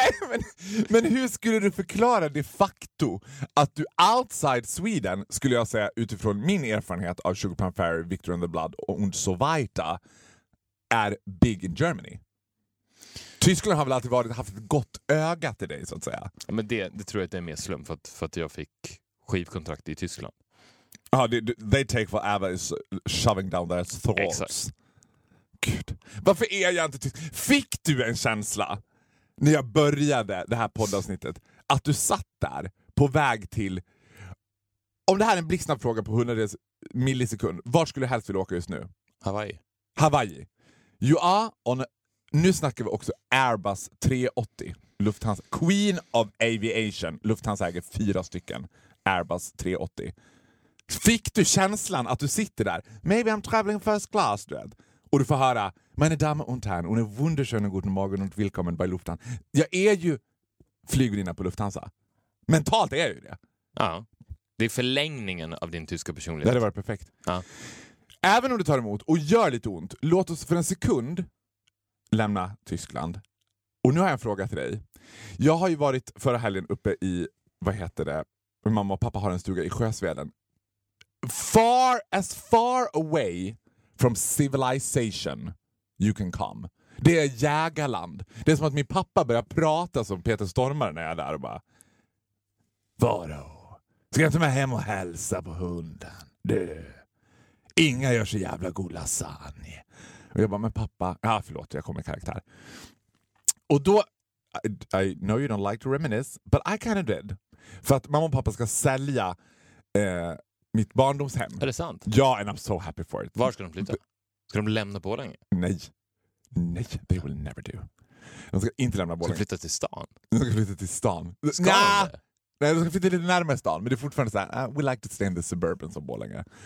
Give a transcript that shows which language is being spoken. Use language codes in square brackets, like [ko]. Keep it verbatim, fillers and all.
[sv] men, men hur skulle du förklara de facto att du [en] outside Sweden, [sv] skulle jag säga utifrån min erfarenhet av Sugar Plum Fairy, Victor and the Blood och [de] Und so weiter, [sv] är [en] big in Germany? [sv] Tyskland har väl alltid varit, haft ett gott öga till dig, så att säga. Ja, men det, det tror jag inte är mer slump för att, för att jag fick skivkontrakt i Tyskland. Ja, [en] oh, they take whatever is shoving down their throats. [sv] Exakt. Gud, varför är jag inte tysk? Fick du en känsla när jag började det här poddavsnittet att du satt där på väg till... Om det här är en blixtsnabb fråga på hundra millisekund, var skulle du helst vilja åka just nu? Hawaii. Hawaii. [en] You are on... [sv] Nu snackar vi också Airbus tre åttio. Lufthansa. [en] Queen of Aviation. [sv] Lufthansa äger fyra stycken. Airbus tre åttio. Fick du känslan att du sitter där? [en] Maybe I'm traveling first class, [sv] du vet. Och du får höra, [de] meine Damen und Herren, und eine wunderschöne guten Morgen und willkommen bei Lufthansa. [sv] Jag är ju flygvärdinna på Lufthansa. Mentalt är jag ju det. Ja. Det är förlängningen av din tyska personlighet. Det hade varit perfekt. Ja. Även om du tar emot och gör lite ont, låt oss för en sekund lämna Tyskland. Och nu har jag en fråga till dig. Jag har ju varit förra helgen uppe i, vad heter det? Mamma och pappa har en stuga i Sjösveden. [en] Far as far away from civilization you can come. [sv] Det är jägarland. Det är som att min pappa börjar prata som Peter Stormare när jag är där och bara, vadå? Ska jag ta mig hem och hälsa på hunden? Du. Inga gör så jävla god lasagne. Och jag bara, men pappa... Ja, ah, förlåt, jag kommer i karaktär. Och då... [en] I, I know you don't like to reminisce, but I kind of did. [sv] För att mamma och pappa ska sälja eh, mitt barndomshem. Är det sant? Ja, [en] and I'm so happy for it. [sv] Var ska de flytta? Ska de lämna Borlänge? Nej. Nej, [en] they will never do. [sv] De ska inte lämna Borlänge. Ska flytta till stan? De ska flytta till stan. Ska nah! Nej, de ska flytta lite närmare stan. Men det är fortfarande så här, [en] we like to stay in the suburban [sv] som Borlänge.